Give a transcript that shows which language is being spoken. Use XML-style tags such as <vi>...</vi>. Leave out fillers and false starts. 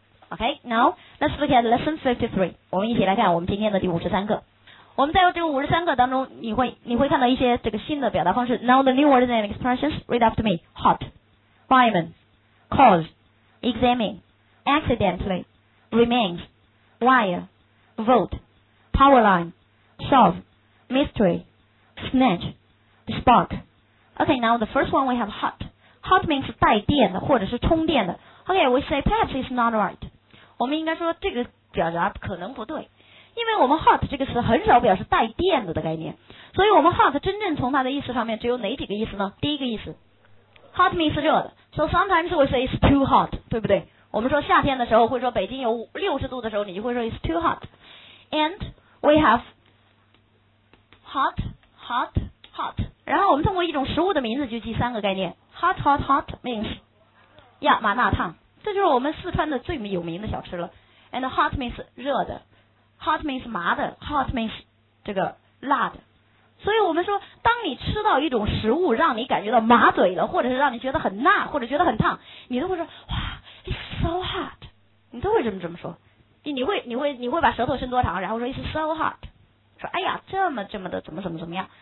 <en>OK, now let's look at lesson 53.</en> <zh>我们一起来看我们今天的第53课。我们在这个53课当中，你会看到一些这个新的表达方式。</zh> <en>Now the new words and expressions, read after me. Hot, fireman, cause, examine, accidentally, remains, wire, vote, power line, solve, mystery, snatch, spark. OK, now the first one we have hot. Hot means</en> <zh>带电的或者是充电的。</zh> <en>OK, we say perhaps it's not right.</en> <zh>我们应该说这个表达可能不对。因为我们 hot 这个词很少表示带电的概念。所以我们 hot 真正从它的意思上面只有哪几个意思呢？第一个意思，</zh> <en>hot means</en> <zh>热的。</zh> <en>So sometimes we say it's too hot,</en> <zh>对不对？我们说夏天的时候会说北京有60度的时候，你就会说</zh> <en>it's too hot. And we have hot, hot, hot.</en> <zh>然后我们通过一种食物的名字就记三个概念</zh> <en>Hot, hot, hot means</en> <zh>亚麻辣烫，这就是我们四川的最有名的小吃了。</zh> <en>And hot means</en> <zh>热的，</zh> <en>hot means</en> <zh>麻的，</zh> <en>hot means</en> <zh>这个辣的。所以我们说当你吃到一种食物让你感觉到麻嘴了，或者是让你觉得很辣或者觉得很烫，你都会说哇</zh> <en>It's so hot,</en> <zh>你都会这么说。你会把舌头伸多长，然后说</zh> <en>It's so hot,</en> <zh>说哎呀这么的怎么样。</zh>